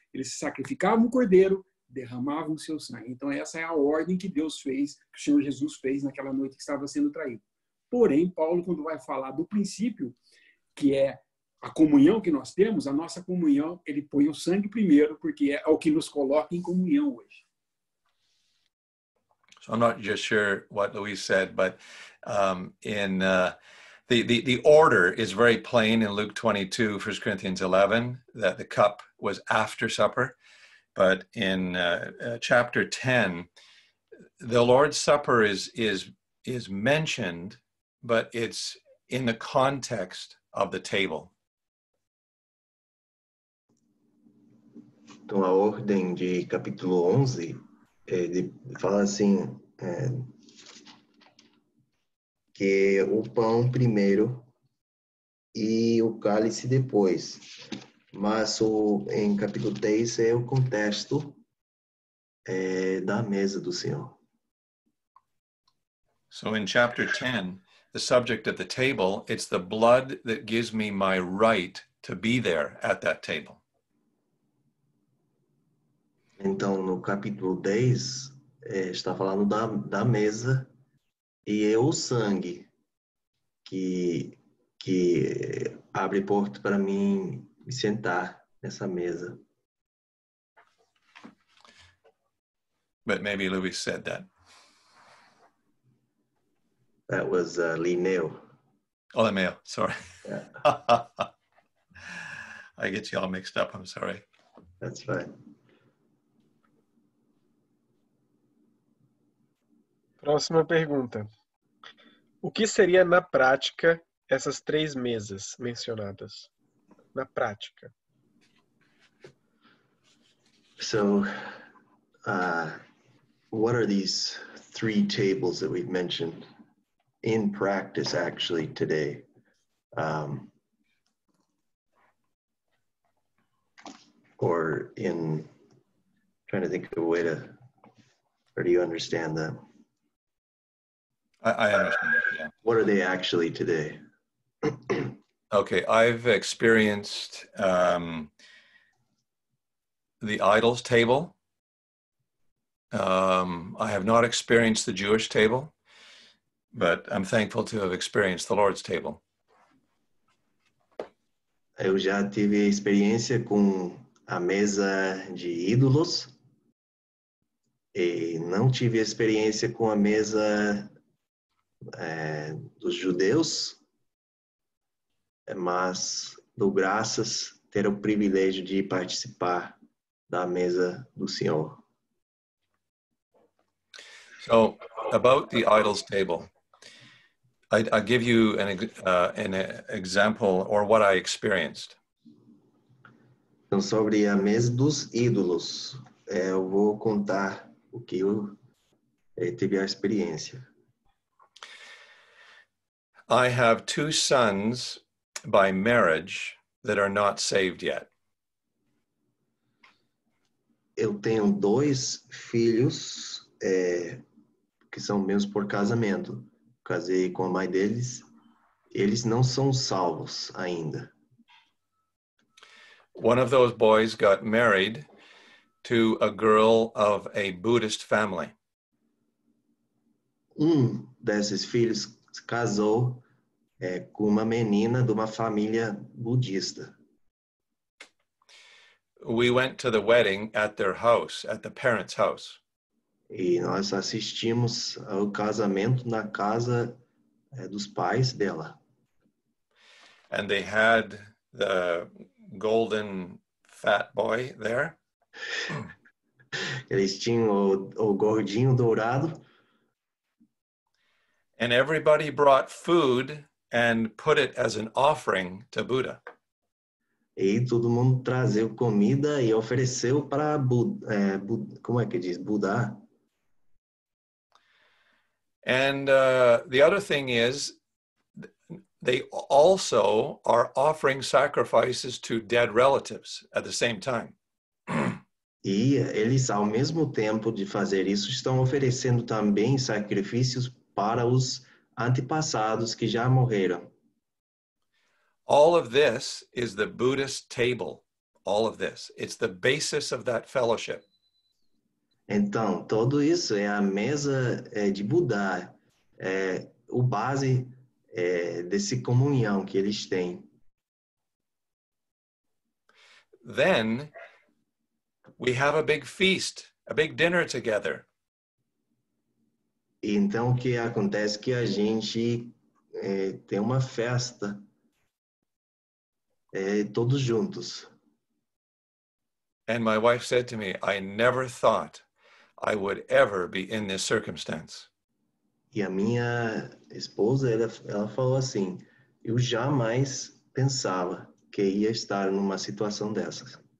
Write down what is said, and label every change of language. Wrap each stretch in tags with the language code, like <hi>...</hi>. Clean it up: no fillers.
<pt>Eles sacrificavam o cordeiro, derramavam o seu sangue. Então, essa é a ordem que Deus fez, que o Senhor Jesus fez naquela noite que estava sendo traído. Porém, Paulo, quando vai falar do princípio, que é a comunhão que nós temos, a nossa comunhão, ele põe o sangue primeiro, porque é o que nos coloca em comunhão hoje.</pt> <en>So I'm not just sure what Luis said, but in the order is very plain in Luke 22, 1 Corinthians 11, that the cup was after supper. But in chapter 10, the Lord's Supper is mentioned, but it's in the context of the table.</en> <pt>Então, a ordem de capítulo 11, ele fala assim, que o pão primeiro e o cálice depois. Mas em capítulo 10 é o contexto da mesa do Senhor.</pt> <en>So in chapter 10, the subject of the table, it's the blood that gives me my right to be there at that table.</en> <pt>Então no capítulo 10 está falando da mesa e é o sangue que abre porto para mim me sentar nessa mesa.</pt> <en>But maybe Louis said that. That was Linneo. Oh, Linneo, sorry. Yeah. I get you all mixed up, I'm sorry. That's fine.</en> <pt>Próxima pergunta. O que seria na prática essas três mesas mencionadas? Na prática.</pt> <en>So, what are these three tables that we've mentioned in practice actually today? Or in trying to think of a way to, or do you understand that? I understand. Yeah. What are they actually today? Okay, I've experienced the idols table. I have not experienced the Jewish table, but I'm thankful to have experienced the Lord's table.</en> <pt>Eu já tive experiência com a mesa de ídolos e não tive experiência com a mesa dos judeus. Mas dou graças ter o privilégio de participar da mesa do Senhor.</pt> <en>So about the idols table, I give you an example or what I experienced.</en> <pt>Então, sobre a mesa dos ídolos, eu vou contar o que eu tive a experiência.</pt> <en>I have two sons by marriage that are not saved yet.</en> <pt>Eu tenho dois filhos que são meus por casamento. Casei com a mãe deles. Eles não são salvos ainda.</pt> <en>One of those boys got married to a girl of a Buddhist family.</en> <pt>Um desses filhos casou com uma menina de uma família budista.</pt> <en>We went to the wedding at their house, at the parents' house.</en> <pt>E nós assistimos ao casamento na casa dos pais dela.</pt> <en>And they had the golden fat boy there.</en> <pt>Eles tinham o gordinho dourado.</pt> <en>And everybody brought food and put it as an offering to Buddha.</en> <pt>E todo mundo trazia comida e ofereceu para Buda, como é que diz, Buda.</pt> <en>And the other thing is, they also are offering sacrifices to dead relatives at the same time.</en> <pt>E eles, ao mesmo tempo de fazer isso, estão oferecendo também sacrifícios para os antepassados que já morreram.</pt> <en>All of this is the Buddhist table. All of this. It's the basis of that fellowship.</en> <pt>Então, tudo isso é a mesa de Buda, o base desse comunhão que eles têm.</pt> <en>Then, we have a big feast, a big dinner together.</en> <pt>Então, o que acontece é que a gente tem uma festa todos juntos.</pt> <en>And my wife said to me, I never thought I would ever be in this circumstance.</en> <pt>E a minha esposa, ela falou assim, eu jamais pensava que ia estar numa situação dessas.</pt>